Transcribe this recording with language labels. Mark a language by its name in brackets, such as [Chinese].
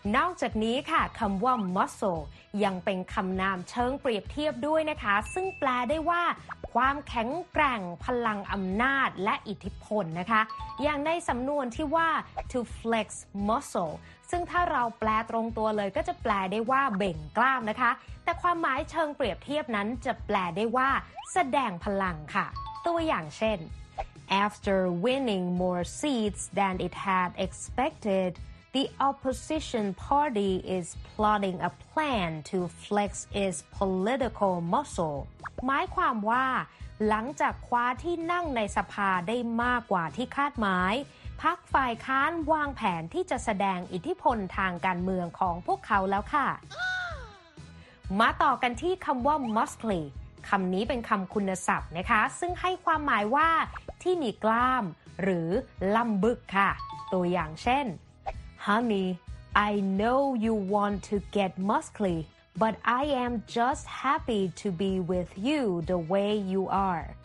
[Thai] นอกจากนี้ค่ะคำว่า musclesยังเป็นคำนามเชิงเปรียบเทียบด้วยนะคะซึ่งแปลได้ว่าความแข็งแกร่งพลังอำนาจและอิทธิพลนะคะอย่างในสำนวนที่ว่า [English] to flex muscle [Thai] ซึ่งถ้าเราแปลตรงตัวเลยก็จะแปลได้ว่าเบ่งกล้ามนะคะแต่ความหมายเชิงเปรียบเทียบนั้นจะแปลได้ว่าแสดงพลังค่ะตัวอย่างเช่น [English] after winning more seats than it had expected The opposition party is plotting a plan to flex its political muscle. [Thai] หมายความว่าหลังจากคว้าที่นั่งในสภาได้มากกว่าที่คาดหมายพรรคฝ่ายค้านวางแผนที่จะแสดงอิทธิพลทางการเมืองของพวกเขาแล้วค่ะ มาต่อกันที่คำว่า muscly คำนี้เป็นคำคุณศัพท์นะคะซึ่งให้ความหมายว่าที่มีกล้ามหรือลำบึกค่ะตัวอย่างเช่น [English] Honey, I know you want to get musclyBut I am just happy to be with you the way you are.